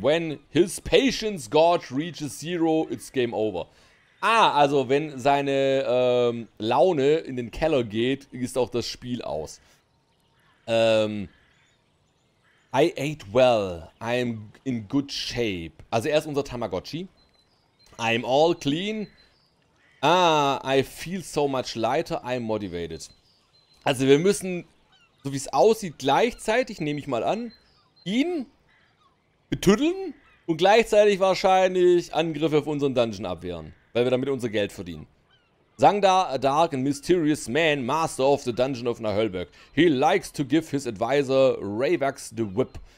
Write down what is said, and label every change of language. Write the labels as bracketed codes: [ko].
[en] When his patience gauge reaches zero, it's game over. [de] Ah, also wenn seine Laune in den Keller geht, ist auch das Spiel aus. [en] I ate well. I'm in good shape. [de] Also er ist unser Tamagotchi. [en] I'm all clean. Ah, I feel so much lighter. I'm motivated. [de] Also wir müssen, so wie es aussieht, gleichzeitig, nehme ich mal an, ihn betüddeln und gleichzeitig wahrscheinlich Angriffe auf unseren Dungeon abwehren, weil wir damit unser Geld verdienen. [en] Zangda, a dark and mysterious man, master of the dungeon of Nahölberg. He likes to give his advisor Ravax the whip.